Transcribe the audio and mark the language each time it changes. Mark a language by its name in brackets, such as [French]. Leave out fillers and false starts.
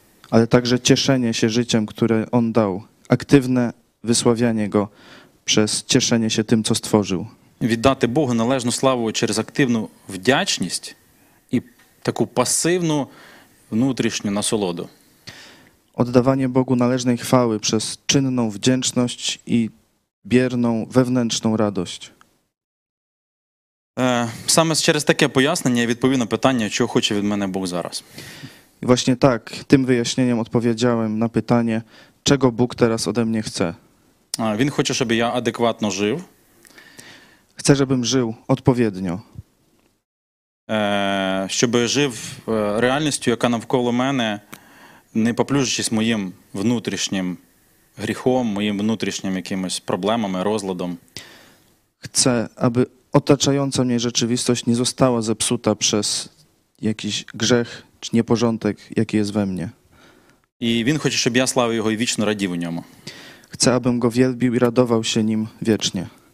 [Ukrainian] Але також тішення ще життям, яке він дав. Активне висловлення його через тішення ще тим, що створив. Віддати Богу належну славу через активну вдячність і таку пасивну внутрішню насолоду. [Polish] Oddawanie Bogu należnej chwały przez czynną wdzięczność i bierną wewnętrzną radość. [Ukrainian] Саме через таке пояснення я відповів на питання, чого хоче від мене Бог зараз. [Polish] І właśnie tak, tym wyjaśnieniem odpowiedziałem na pytanie, czego Bóg teraz ode mnie chce. [Ukrainian] Він хоче, щоб я адекватно жив. [Polish] Chce, żebym żył odpowiednio. [Ukrainian] Щоб жив реальністю, яка навколо мене, не поплюжуючись моїм внутрішнім гріхом, моїм внутрішнім якимось проблемами, розладом. [Polish] Chcę, aby otaczająca mnie rzeczywistość nie została zepsuta przez jakiś grzech czy nieporządek, jaki jest we mnie. [Ukrainian] I він хоче, щоб я славив його і вічно радів у ньому. [Polish] Chcę, abym go wielbił i radował się nim wiecznie.